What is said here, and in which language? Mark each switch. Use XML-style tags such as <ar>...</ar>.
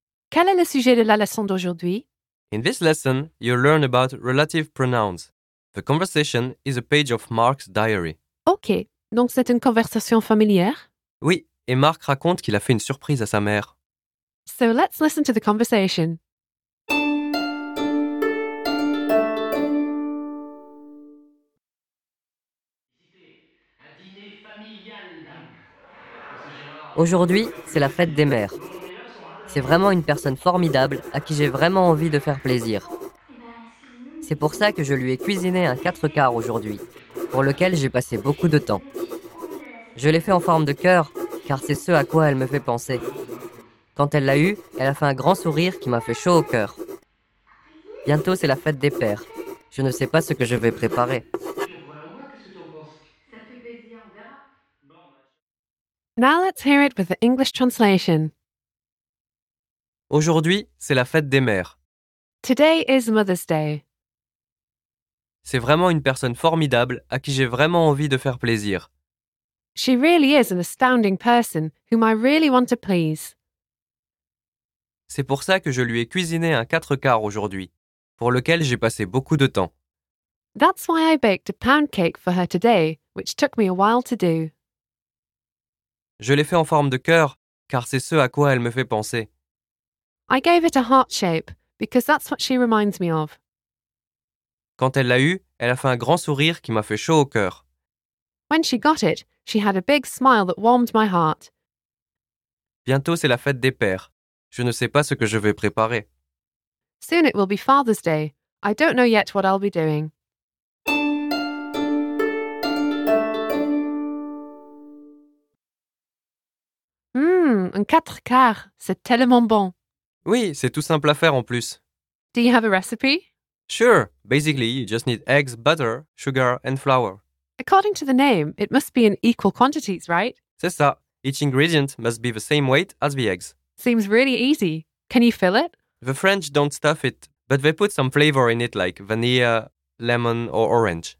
<fr>Quel est le sujet de la leçon d'aujourd'hui?</fr> <en>In this lesson, you'll learn about relative pronouns. The conversation is a page of Mark's diary.</en> <fr>Ok, donc c'est une conversation familière? Oui, et Mark raconte qu'il a fait une surprise à sa mère.</fr> <en>So let's listen to the conversation.</en> <fr>Aujourd'hui, c'est la fête des mères. C'est vraiment une personne formidable à qui j'ai vraiment envie de faire plaisir. C'est pour ça que je lui ai cuisiné un 4 quarts aujourd'hui, pour lequel j'ai passé beaucoup de temps. Je l'ai fait en forme de cœur, car c'est ce à quoi elle me fait penser. Quand elle l'a eu, elle a fait un grand sourire qui m'a fait chaud au cœur. Bientôt, c'est la fête des pères. Je ne sais pas ce que je vais préparer. Now let's hear it with the English translation. Aujourd'hui, c'est la fête des mères.</fr> <en>Today is Mother's Day.</en> <fr>C'est vraiment une personne formidable à qui j'ai vraiment envie de faire plaisir.</fr> <en>She really is an astounding person whom I really want to please.</en> <fr>C'est pour ça que je lui ai cuisiné un 4 quarts aujourd'hui, pour lequel j'ai passé beaucoup de temps.</fr> <en>That's why I baked a pound cake for her today, which took me a while to do.</en> <fr>Je l'ai fait en forme de cœur, car c'est ce à quoi elle me fait penser.</fr> <en>I gave it a heart shape, because that's what she reminds me of.</en> <fr>Quand elle l'a eu, elle a fait un grand sourire qui m'a fait chaud au cœur.</fr> <en>When she got it, she had a big smile that warmed my heart.</en> <fr>Bientôt c'est la fête des pères. Je ne sais pas ce que je vais préparer.</fr> <en>Soon it will be Father's Day. I don't know yet what I'll be doing.</en> <fr>Un 4 quarts, c'est tellement bon. Oui, c'est tout simple à faire en plus.</fr> <en>Do you have a recipe? Sure. Basically, you just need eggs, butter, sugar and flour. According to the name, it must be in equal quantities, right?</en> <fr>C'est ça.</fr> <en>Each ingredient must be the same weight as the eggs. Seems really easy. Can you fill it? The French don't stuff it, but they put some flavor in it like vanilla, lemon or orange.</en>